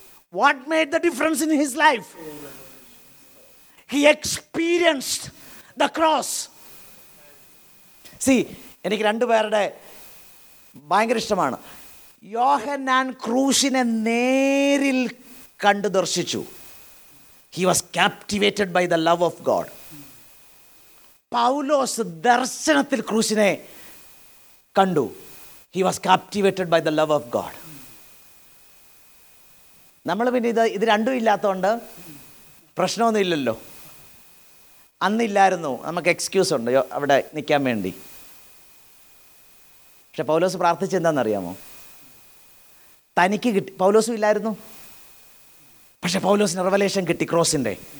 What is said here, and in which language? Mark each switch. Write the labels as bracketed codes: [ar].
[en] What made the difference in his life? He experienced the cross. [ml] See, എനിക്ക് രണ്ടുപേരുടെ ഭയങ്കര ഇഷ്ടമാണ്. യോഹന്നാൻ ക്രൂശിനെ നേരിൽ കണ്ടു ദർശിച്ചു. [en] He was captivated by the love of God. [ml] പൗലോസ് ദർശനത്തിൽ ക്രൂശിനെ കണ്ടു. [en] He was captivated by the love of God. [ml] നമ്മൾ പിന്നെ ഇത് രണ്ടും ഇല്ലാത്തതുകൊണ്ട് പ്രശ്നമൊന്നുമില്ലല്ലോ. അന്നില്ലായിരുന്നു, നമുക്ക് എക്സ്ക്യൂസ് ഉണ്ട് അവിടെ നിൽക്കാൻ വേണ്ടി. പക്ഷെ പൗലോസ് പ്രാർത്ഥിച്ചെന്താണെന്നറിയാമോ? തനിക്ക് കിട്ടി, പൗലോസും ഇല്ലായിരുന്നു, പക്ഷെ പൗലോസിന് റവലേഷൻ കിട്ടി ക്രോസിൻ്റെ.